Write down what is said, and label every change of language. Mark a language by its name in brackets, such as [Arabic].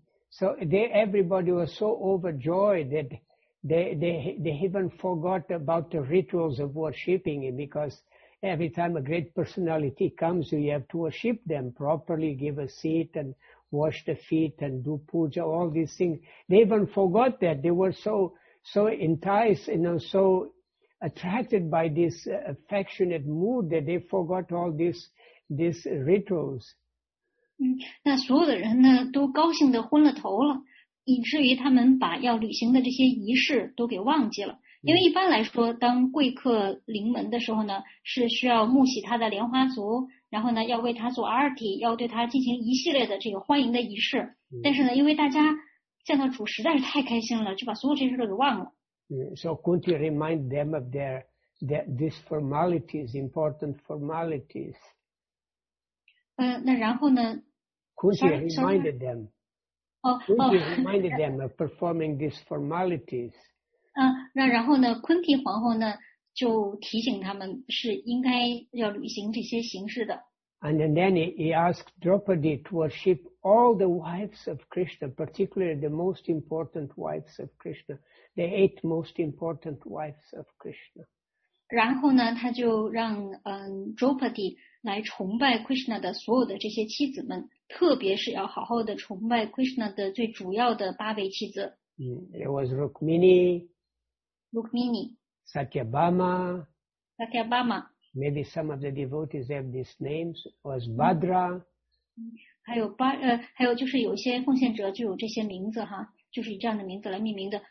[English] So everybody was so overjoyed that they even forgot about the rituals of worshipping him, because every time a great personality comes, you have to worship them properly, give a seat and wash the feet and do puja, all these things. They even forgot that. They were so enticed and so attracted by this affectionate mood that they forgot all these rituals. [Chinese] 那所有的人呢都高兴的昏了头了，以至于他们把要履行的这些仪式都给忘记了。因为一般来说当贵客临门的时候呢是需要沐洗他的莲花足，然后呢要为他做阿尔体，要对他进行一系列的这个欢迎的仪式。但是呢因为大家见到主实在是太开心了，就把所有这些事都给忘了。 [English] So Kunti remind them of their that these formalities, important formalities. [Chinese] 那然后呢？ [English] Kunti reminded them. Kunti reminded them of performing these formalities. [Chinese] 那然后呢？Kunti 皇后呢就提醒他们是应该要履行这些形式的。 [English] And then he asked Draupadi to worship all the wives of Krishna, particularly the most important wives of Krishna, the eight most important wives of Krishna. [Chinese] 然后呢，他就让Draupadi 来崇拜 Krishna 的所有的这些妻子们，特别是要好好的崇拜 Krishna 的最主要的八位妻子。 [English] It was Rukmini, Rukmini, Satyabhama, Satyabhama. Maybe some of the devotees have these names. Was Bhadra. [Chinese] 还有巴还有就是有些奉献者就有这些名字哈，就是以这样的名字来命名的。